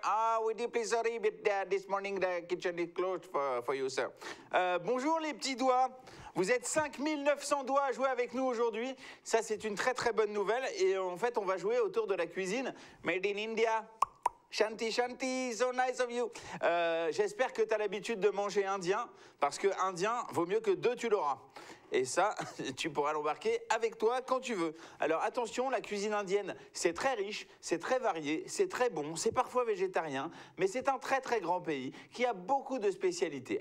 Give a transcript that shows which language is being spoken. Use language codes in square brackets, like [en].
[en] Ah, would you please hurry, but this morning the kitchen is closed for you, sir. [fr] Bonjour, les petits doigts. Vous êtes 5 900 doigts à jouer avec nous aujourd'hui. Ça, c'est une très très bonne nouvelle. Et en fait, on va jouer autour de la cuisine. [en] Made in India. Shanti, shanti, so nice of you. [fr] J'espère que tu as l'habitude de manger indien, parce que indien vaut mieux que deux, tu l'auras. Et ça, tu pourras l'embarquer avec toi quand tu veux. Alors attention, la cuisine indienne, c'est très riche, c'est très varié, c'est très bon, c'est parfois végétarien, mais c'est un très très grand pays qui a beaucoup de spécialités.